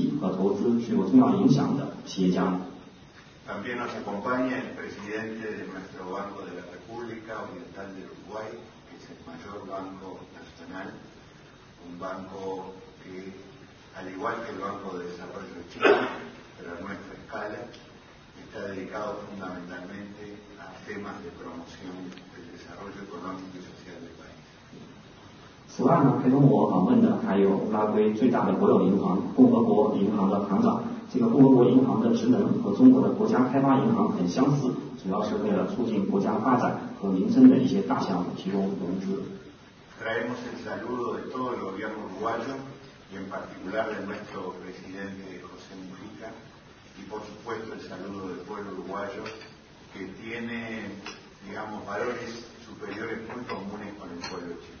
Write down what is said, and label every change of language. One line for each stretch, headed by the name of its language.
Chinese: 那么此次呢，我把代表团的主要成员，包括我的夫人，包括布拉圭驻华大使刘大爷，包括布拉圭政府几位重要的官员，其中就有工业、能源和矿业部部长，交通部副部长。此外，陪同我访问的还有一些对布拉圭经济和投资具有重要影响的企业家。
Spanish: También nos acompaña el presidente de nuestro Banco de la República Oriental de Uruguay, que es el mayor banco nacional, un banco que, al igual que el Banco de Desarrollo de China, pero a nuestra escala, está dedicado fundamentalmente a temas de promoción del desarrollo económico y social del país.
Chinese: 此外呢，陪同我访问的还有拉圭最大的国有银行共和国银行的行长。这个共和国银行的职能和中国的国家开发银行很相似，主要是为了促进国家发展和民生的一些大项目提供融资。
Spanish: Traemos el saludo de todo el gobierno uruguayo y en particular de nuestro presidente José Mujica y por supuesto el saludo del pueblo uruguayo que tiene, digamos, valores superiores muy comunes con el pueblo